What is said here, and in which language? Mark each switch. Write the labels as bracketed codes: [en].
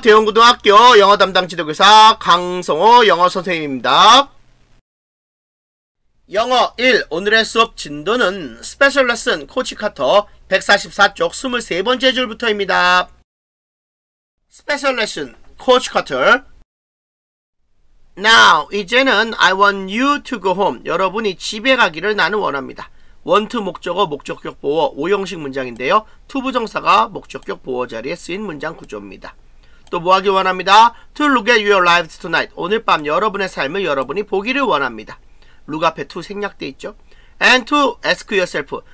[ko] 대원고등학교 영어 담당 지도교사 강성호 영어 선생님입니다. 영어 1. 오늘의 수업 진도는 스페셜 레슨 코치 카터 144쪽 23번째 줄부터입니다. 스페셜 레슨 코치 카터. [en] Now, [ko] 이제는 [en] I want you to go home. [ko] 여러분이 집에 가기를 나는 원합니다. want 목적어, 목적격 보어, 5형식 문장인데요. to 부정사가 목적격 보어 자리에 쓰인 문장 구조입니다. 또 뭐 하기 원합니다? [en] to look at your lives tonight. [ko] 오늘 밤 여러분의 삶을 여러분이 보기를 원합니다. look 앞에 to 생략돼 있죠. [en] and to ask yourself.